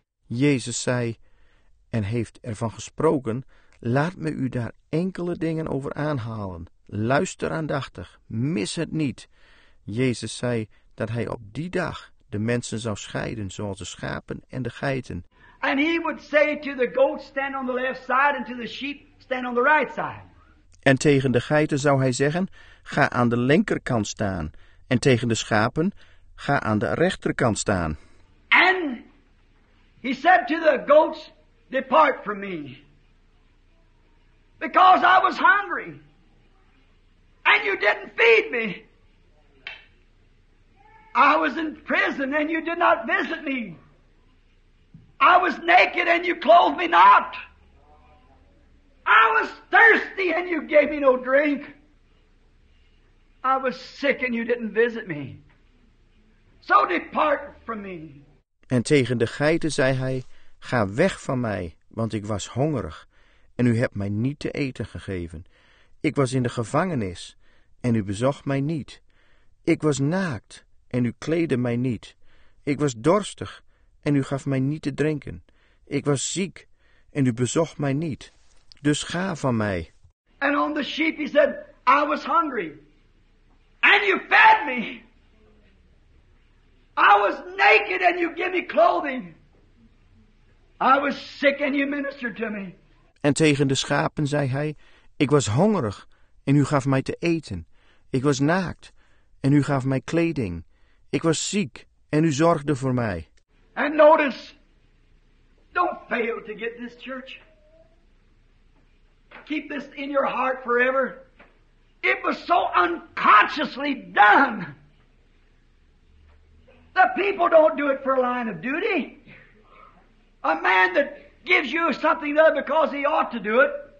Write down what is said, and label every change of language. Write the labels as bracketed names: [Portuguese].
[Dutch] Jezus zei, en heeft ervan gesproken, laat me u daar enkele dingen over aanhalen. Luister aandachtig, mis het niet. Jezus zei dat hij op die dag de mensen zou scheiden, zoals de schapen en de geiten. [English] And he would say to the goats, stand on the left side, and to the sheep, stand on the right side. [Dutch] En tegen de geiten zou hij zeggen, ga aan de linkerkant staan. En tegen de schapen, ga aan de rechterkant staan. [English] And he said to the goats, depart from me. Because I was hungry. And you didn't feed me. I was in prison and you did not visit me. I was naked and you clothed me not. I was thirsty and you gave me no drink. I was sick and you didn't visit me. So depart from me. [Dutch] En tegen de geiten zei hij, ga weg van mij, want ik was hongerig en u hebt mij niet te eten gegeven. Ik was in de gevangenis en u bezocht mij niet. Ik was naakt en u kleedde mij niet. Ik was dorstig en u gaf mij niet te drinken. Ik was ziek en u bezocht mij niet. Dus ga van mij. [English] And on the sheep he said, I was hungry. And you fed me. I was naked and you gave me clothing. I was sick and you ministered to me. [Dutch] En tegen de schapen zei hij, ik was hongerig en u gaf mij te eten. Ik was naakt en u gaf mij kleding. Ik was ziek en u zorgde voor mij. [English] And notice, don't fail to get this church. Keep this in your heart forever. It was so unconsciously done. The people don't do it for a line of duty. A man that gives you something other because he ought to do it.